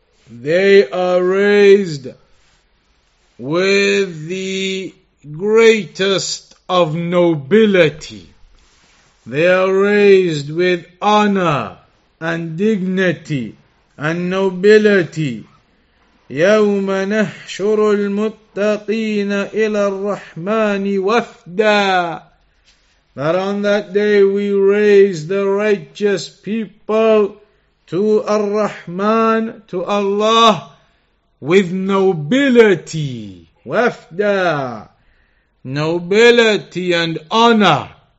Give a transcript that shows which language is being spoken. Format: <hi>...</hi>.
<en>they are raised with the greatest of nobility. They are raised with honor and dignity and nobility.</en> <ar>يوم نحشر المتقين إلى الرحمن وفدا.</ar> <en>That on that day we raise the righteous people to Ar-Rahman, to Allah, with nobility. Wafda. Nobility and honor.</en>